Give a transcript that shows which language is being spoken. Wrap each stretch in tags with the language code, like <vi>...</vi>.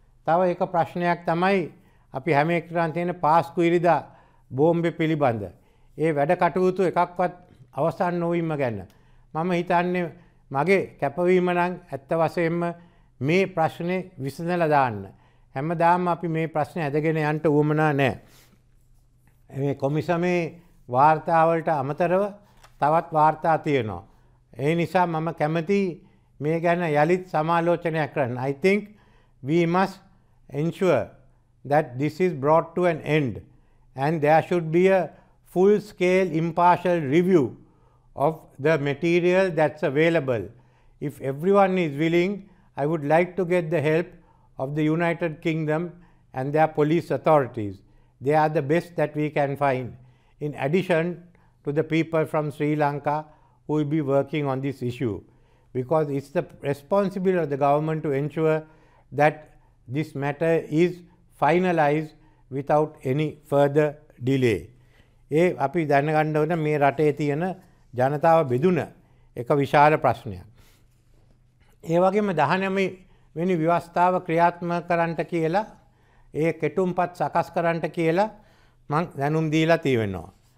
<si>තව එක ප්‍රශ්නයක් තමයි අපි හැම එක්කරන් තියෙන පාස්කු ඉරිදා බෝම්බ පිළිබඳ ඒ වැඩ කටයුතු එකක්වත් අවසන් නොවීම ගැන මම හිතන්නේ මගේ කැපවීම නම් ඇත්ත වශයෙන්ම මේ ප්‍රශ්නේ විසඳලා දාන්න. හැමදාම අපි මේ ප්‍රශ්නේ ඇදගෙන යන්න උවමනා නැහැ. මේ කොමිසමේ වාර්තා වලට අමතරව තවත් වාර්තා තියෙනවා. ඒ නිසා මම කැමති මේ ගැන යලිත් සමාලෝචනයක් කරන්න.</si> <en>I think we must ensure that this is brought to an end and there should be a full scale impartial review of the material that's available. If everyone is willing, I would like to get the help of the United Kingdom and their police authorities. They are the best that we can find, in addition to the people from Sri Lanka who will be working on this issue, because it's the responsibility of the government to ensure that this matter is finalize without any further delay.</en> <si>ඒ අපි දැනගන්න ඕන මේ රටේ තියෙන ජනතාව බෙදුන එක විශාල ප්‍රශ්නයක්. ඒ වගේම 19 වෙනි ව්‍යවස්ථාව ක්‍රියාත්මක කරන්නට කියලා ඒ කෙටුම්පත් සකස් කරන්නට කියලා මම දැනුම් දීලා තියෙනවා.</si>